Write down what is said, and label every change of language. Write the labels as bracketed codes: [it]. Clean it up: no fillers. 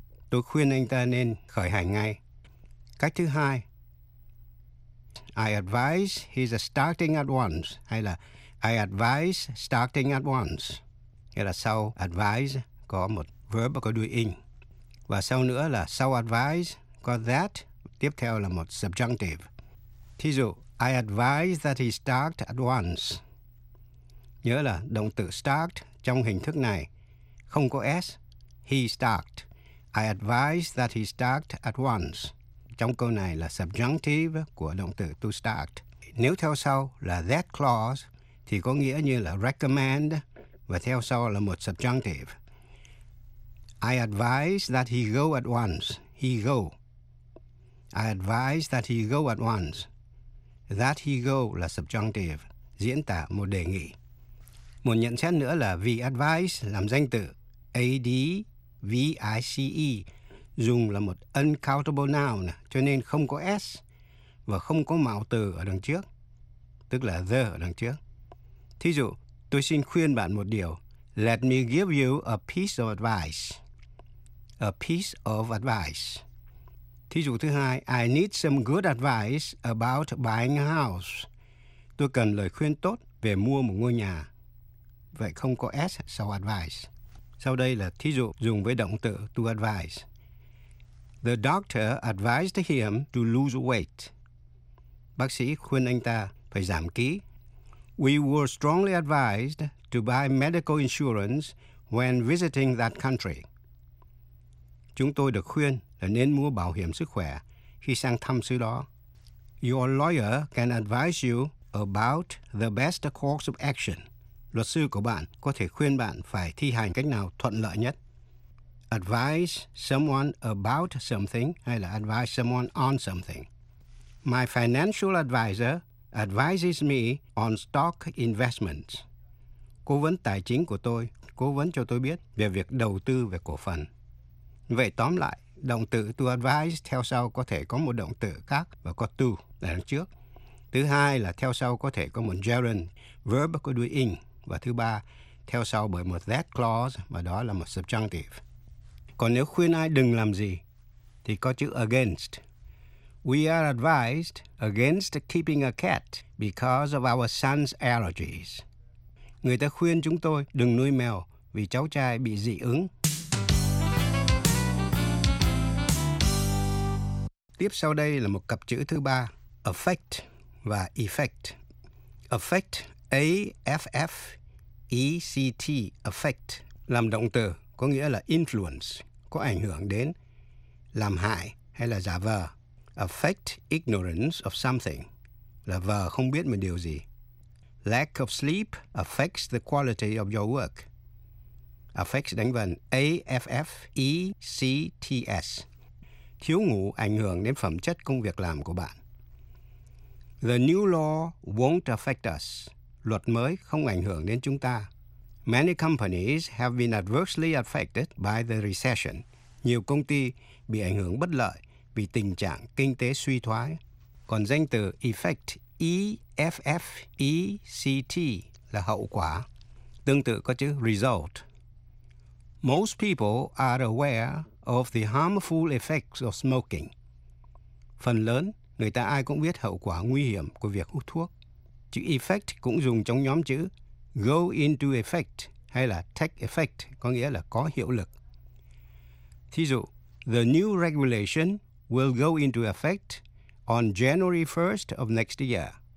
[vi] Tôi khuyên anh ta nên khởi hành ngay. Cách thứ hai, [en] I advise he's starting at once. [vi] Hay là [en] I advise starting at once. [vi] Nghĩa là sau advise có một verb có đuôi in. Và sau nữa là sau advise có that, tiếp theo là một subjunctive. Thí dụ, [en] I advise that he start at once. [vi] Nhớ là động từ start trong hình thức này không có s, he start. [en] I advise that he start at once. [vi] Trong câu này là subjunctive của động từ to start. Nếu theo sau là that clause thì có nghĩa như là recommend và theo sau là một subjunctive. [en] I advise that he go at once. He go. I advise that he go at once. [vi] That he go là subjunctive, diễn tả một đề nghị. Một nhận xét nữa là vì advice làm danh từ A-D-V-I-C-E dùng là một uncountable noun cho nên không có S và không có mạo từ ở đằng trước, tức là the ở đằng trước. Thí dụ, tôi xin khuyên bạn một điều. [en] Let me give you a piece of advice. A piece of advice. [vi] Thí dụ thứ hai, [en] I need some good advice about buying a house. [vi] Tôi cần lời khuyên tốt về mua một ngôi nhà. Vậy không có S sau advice. Sau đây là thí dụ dùng với động từ to advise. [en] The doctor advised him to lose weight. [vi] Bác sĩ khuyên anh ta phải giảm ký. [en] We were strongly advised to buy medical insurance when visiting that country. [vi] Chúng tôi được khuyên là nên mua bảo hiểm sức khỏe khi sang thăm xứ đó. [en] Your lawyer can advise you about the best course of action. [vi] Luật sư của bạn có thể khuyên bạn phải thi hành cách nào thuận lợi nhất. [en] Advise someone about something hay là advise someone on something. My financial advisor advises me on stock investments. [vi] Cố vấn tài chính của tôi cố vấn cho tôi biết về việc đầu tư về cổ phần. Vậy tóm lại, động từ to advise theo sau có thể có một động từ khác và có to là đằng trước. Thứ hai là theo sau có thể có một gerund, verb có đuôi in. Và thứ ba, theo sau bởi một that clause và đó là một subjunctive. Còn nếu khuyên ai đừng làm gì, thì có chữ against. [en] We are advised against keeping a cat because of our son's allergies. [vi] Người ta khuyên chúng tôi đừng nuôi mèo vì cháu trai bị dị ứng. Tiếp sau đây là một cặp chữ thứ ba, affect và effect. Affect, A-F-F-E-C-T, affect, làm động từ, có nghĩa là influence, có ảnh hưởng đến, làm hại hay là giả vờ. [en] Affect ignorance of something, [vi] là vờ không biết một điều gì. [en] Lack of sleep affects the quality of your work. [vi] Affects đánh vần A-F-F-E-C-T-S. Thiếu ngủ ảnh hưởng đến phẩm chất công việc làm của bạn. [en] The new law won't affect us. [vi] Luật mới không ảnh hưởng đến chúng ta. [en] Many companies have been adversely affected by the recession. [vi] Nhiều công ty bị ảnh hưởng bất lợi vì tình trạng kinh tế suy thoái. Còn danh từ effect, E-F-F-E-C-T, là hậu quả. Tương tự có chữ result. [en] Most people are aware of the harmful effects of smoking. [vi] Phần lớn, người ta ai cũng biết hậu quả nguy hiểm của việc hút thuốc. Chữ effect cũng dùng trong nhóm chữ go into effect hay là take effect, có nghĩa là có hiệu lực. Thí dụ, [en] the new regulation will go into effect on January 1st of next year.